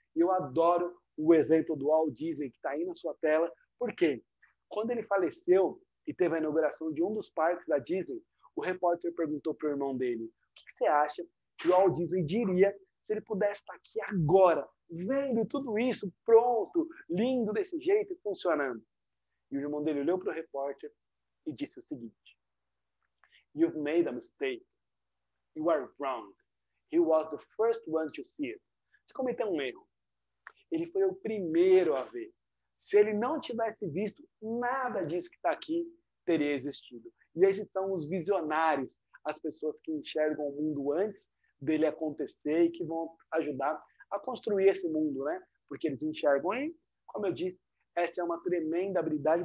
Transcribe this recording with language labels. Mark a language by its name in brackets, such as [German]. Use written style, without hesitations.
[Portuguese] E eu adoro o exemplo do Walt Disney, que está aí na sua tela, porque quando ele faleceu e teve a inauguração de um dos parques da Disney, o repórter perguntou para o irmão dele: o que você acha que o Walt Disney diria se ele pudesse estar aqui agora, vendo tudo isso pronto, lindo desse jeito e funcionando? E o irmão dele olhou para o repórter e disse o seguinte: [English] You've made a mistake. You are wrong. He was the first one to see it. [Portuguese] Você cometeu um erro. Ele foi o primeiro a ver. Se ele não tivesse visto, nada disso que está aqui teria existido. E esses são os visionários, as pessoas que enxergam o mundo antes dele acontecer e que vão ajudar a construir esse mundo, né? Porque eles enxergam, e, como eu disse, essa é uma tremenda habilidade.